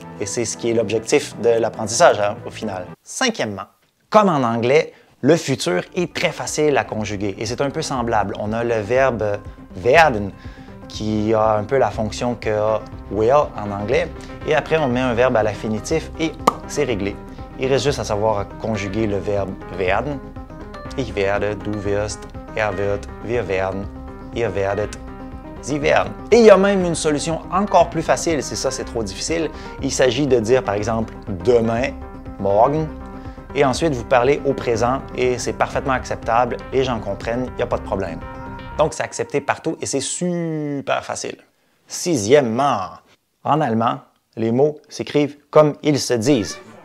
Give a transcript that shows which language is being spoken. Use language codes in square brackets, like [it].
[fr] Et c'est ce qui est l'objectif de l'apprentissage, hein, au final. Cinquièmement, comme en anglais, le futur est très facile à conjuguer. Et c'est un peu semblable. On a le verbe « werden » qui a un peu la fonction que « will » en anglais. Et après, on met un verbe à l'infinitif et c'est réglé. Il reste juste à savoir conjuguer le verbe « werden ». [de] Ich werde, du wirst, er wird, wir werden, ihr werdet, sie werden. [fr] Et il y a même une solution encore plus facile si ça c'est trop difficile. Il s'agit de dire par exemple demain, morgen, et ensuite vous parlez au présent et c'est parfaitement acceptable, les gens comprennent, il n'y a pas de problème. Donc c'est accepté partout et c'est super facile. Sixièmement, en allemand, les mots s'écrivent comme ils se disent.